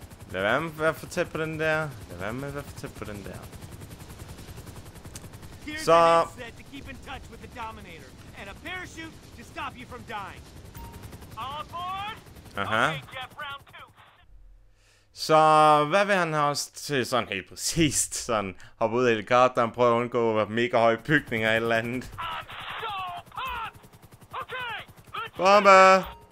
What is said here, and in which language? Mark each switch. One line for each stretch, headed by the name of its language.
Danish: Lad være med at være for tæt på den der. Lad være med at være for tæt på den der. Så...
English: to keep in touch with the Dominator, and a parachute to stop you from dying. All aboard? Aha. Okay, Jeff, round two.
Danish: Så hvad vil han have os til sådan helt præcist? Sådan hoppe ud af helikopteren, prøve at undgå mega høje bygninger eller andet. Bombe!